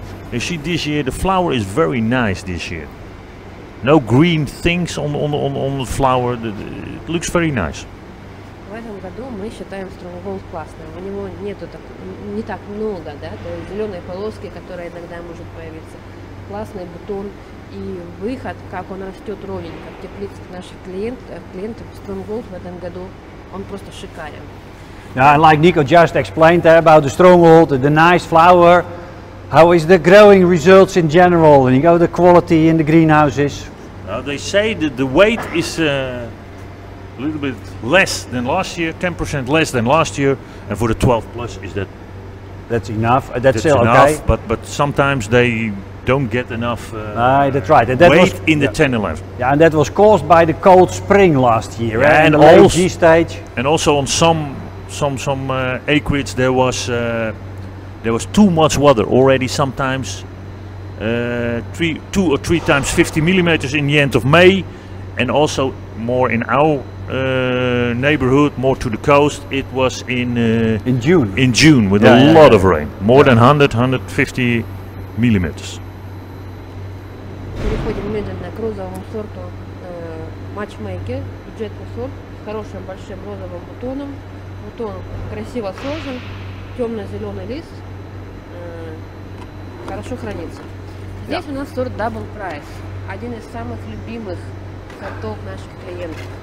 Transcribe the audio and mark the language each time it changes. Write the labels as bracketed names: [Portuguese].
[English] You see this year, the flower is very nice this year. No green things on the flower, it looks very nice. [Russian] В этом году мы считаем Stronghold классным. У него нету так, не так много, да, той зеленой полоски, которая иногда может появиться. Классный бутон и выход, как он растет ровненько в теплицах наших клиентов. Stronghold в этом году, он просто шикарен. [English] Yeah, and like Nico just explained about the Stronghold, the nice flower. How is the growing results in general? And you know the quality in the greenhouses? They say that the weight is a little bit less than last year, 10% less than last year, and for the 12 plus, is that that's enough? That's still enough, okay. But sometimes they don't get enough that's right. And that weight was, in the 10-11. Yeah, and that was caused by the cold spring last year, yeah, and the low G stage. And also on some acreage there was too much water already sometimes. Two or three times 50 millimeters in the end of May, and also more in our neighborhood, more to the coast, it was in June with a lot of rain, more than 100-150 millimeters. [Russian] Переходим медленно к розовому сорту матчмейкер, бюджетный сорт с хорошим большим розовым бутоном. Бутон красиво сложен, темно-зеленый лист, хорошо хранится. Здесь у нас сорт Double Price, один из самых любимых сортов наших клиентов.